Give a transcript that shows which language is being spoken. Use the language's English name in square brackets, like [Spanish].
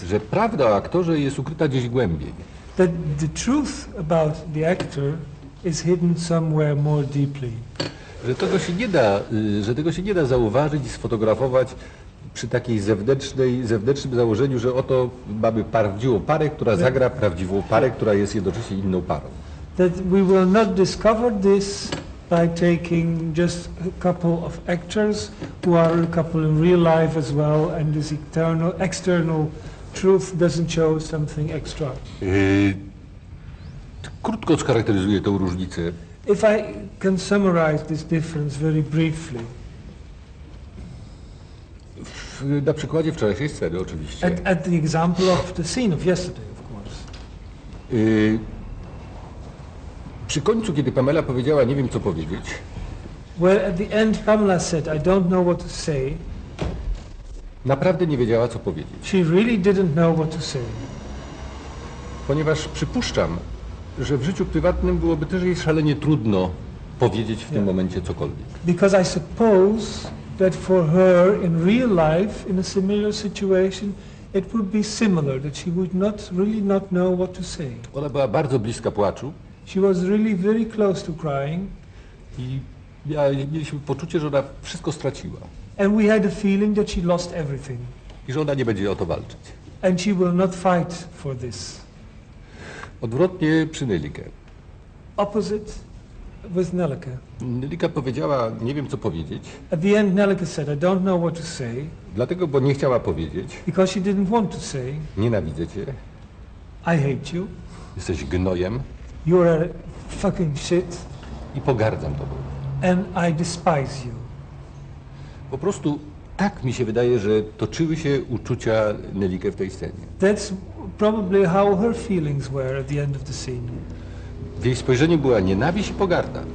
[Polish] że prawda o aktorze jest ukryta gdzieś głębiej. [English] That the truth about the actor is hidden somewhere more deeply. [Polish] Że tego się nie da zauważyć i sfotografować przy takiej zewnętrznym założeniu, że oto mamy prawdziwą parę, która zagra prawdziwą parę, która jest jednocześnie inną parą. [English] That we will not discover this by taking just a couple of actors who are a couple in real life as well, and this external truth doesn't show something extra. [Polish] Krótko scharakteryzuję tą różnicę. [English] If I can summarize this difference very briefly. [Polish] Na przykładzie wczorajszej sceny, oczywiście. [English] At the example of the scene of yesterday, of course. [Polish] Przy końcu, kiedy Pamela powiedziała, nie wiem co powiedzieć. [English] Well, at the end Pamela said, I don't know what to say. [Polish] Naprawdę nie wiedziała co powiedzieć. [English] She really didn't know what to say. [Polish] Ponieważ przypuszczam, że w życiu prywatnym byłoby też jej szalenie trudno powiedzieć w tym momencie cokolwiek. [English] Because I suppose that for her in real life, in a similar situation, it would be similar, that she would not really know what to say. [Polish] Ona była bardzo bliska płaczu. [English] She was really very close to crying. [Polish] I mieliśmy poczucie, że ona wszystko straciła. [English] And we had a feeling that she lost everything. [Polish] I że ona nie będzie o to walczyć. [English] And she will not fight for this. [Polish] Odwrotnie przy Nelleke. [English] Opposite with Nelleke. [Polish] Nelleke powiedziała, nie wiem co powiedzieć. [English] At the end Nelleke said, I don't know what to say. [Polish] Dlatego, bo nie chciała powiedzieć. [English] Because she didn't want to say. [Polish] Nienawidzę cię. [English] I hate you. [Polish] Jesteś gnojem. [English] You are fucking shit. [Polish] I pogardzam tobą. [English] And I despise you. [Polish] Po prostu tak mi się wydaje, że toczyły się uczucia Nelleke w tej scenie. [English] That's probably how her feelings were at the end of the scene. [Polish] W jej spojrzeniu była nienawiść i pogarda.